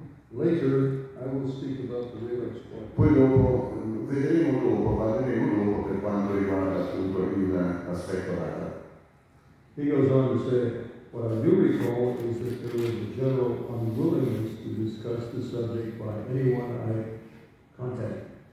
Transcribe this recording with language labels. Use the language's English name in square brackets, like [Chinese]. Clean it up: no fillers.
[English] Later I will speak about the radar squadron. [Italian] Poi dopo vedremo dopo per quanto riguarda appunto l'aspetto radar. [English] He goes on to say, what I do recall is that there was a general unwillingness to discuss the subject by anyone I contacted.